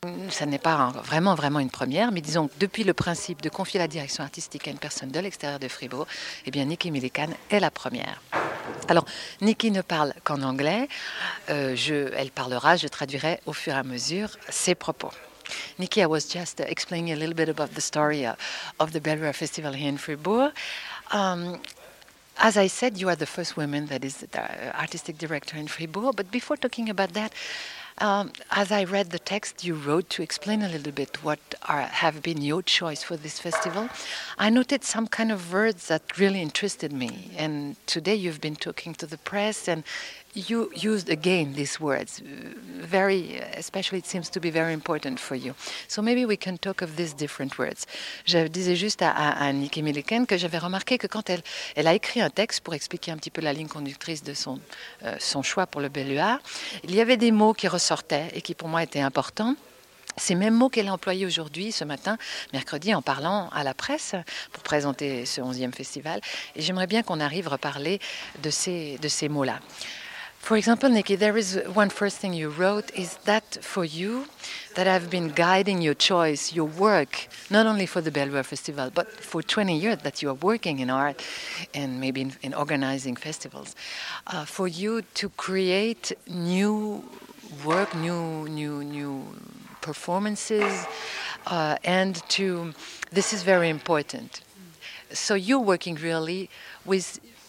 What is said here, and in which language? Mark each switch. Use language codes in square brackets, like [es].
[fr] Ça n'est pas vraiment, vraiment une première, mais disons que depuis le principe de confier la direction artistique à une personne de l'extérieur de Fribourg, eh bien Nicky Millican est la première. Alors, Nicky ne parle qu'en anglais. Elle parlera, je traduirai au fur et à mesure ses propos. [en] Nicky, I was just explaining a little bit about the story of the Belluard Festival here in Fribourg. As I said, you are the first woman that is the artistic director in Fribourg, but before talking about that, as I read the text you wrote to explain a little bit what have been your choice for this festival, I noted some kind of words that really interested me. And today you've been talking to the press and you used again these words, very, especially it seems to be very important for you. So maybe we can talk of these different words. [fr] Je disais juste à Nicky Millican que j'avais remarqué que quand elle a écrit un texte pour expliquer un petit peu la ligne conductrice de son choix pour le Belluard, il y avait des mots qui ressortaient et qui pour moi étaient importants. Ces mêmes mots qu'elle a employés aujourd'hui, ce matin, mercredi, en parlant à la presse pour présenter ce 11e festival. Et j'aimerais bien qu'on arrive à reparler de ces mots-là. [en] For example, Nicky, there is one first thing you wrote, is that for you that have been guiding your choice, your work, not only for the Belluard Festival, but for 20 years that you are working in art and maybe in organizing festivals, for you to create new work, new performances, and to, this is very important. So you're working really with